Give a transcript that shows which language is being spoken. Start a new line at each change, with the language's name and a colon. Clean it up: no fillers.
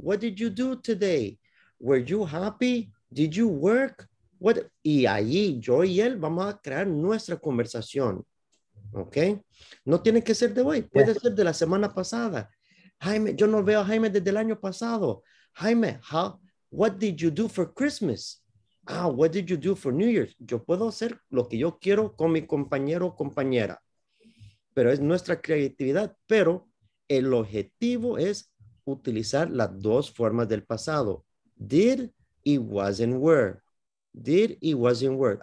English: What did you do today? Were you happy? Did you work? What?
Spanish: Y allí yo y él vamos a crear nuestra conversación. Ok, no tiene que ser de hoy, puede ser de la semana pasada. Jaime, yo no veo a Jaime desde el año pasado.
English: Jaime, how, what did you do for Christmas? Ah, what did you do for New Year's?
Spanish: Yo puedo hacer lo que yo quiero con mi compañero o compañera. Pero es nuestra creatividad, pero el objetivo es utilizar las dos formas del pasado.
English: Did y wasn't were. Did y wasn't were.